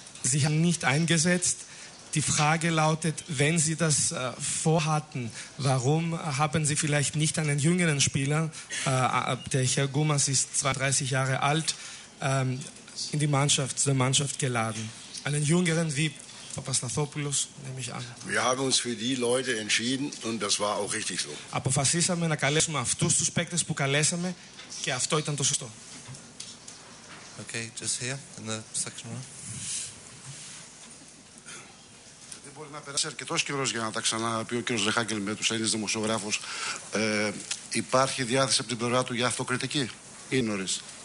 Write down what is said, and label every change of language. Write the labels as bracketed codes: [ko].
[de] Sie haben nicht eingesetzt. Die Frage lautet, wenn Sie das vorhatten, warum haben Sie vielleicht nicht einen jüngeren Spieler, der Herr Gumas ist 32 Jahre alt, in die Mannschaft, zur Mannschaft geladen? Einen jüngeren wie Papastathopoulos, nehme ich an. Wir haben uns für die Leute entschieden und das war auch richtig so. [el] Αποφασίσαμε να καλέσουμε αυτούς τους παίκτες που καλέσαμε και αυτό ήταν το σωστό. [en] Okay, just here, in the section room. [el] Δεν μπορεί να περάσει αρκετός καιρός για να τα ξαναπεί ο κύριος Ρεχάγκελ με τους Έλληνες δημοσιογράφους. Υπάρχει διάθεση από την πλευρά του για αυτοκριτική ή νωρίς?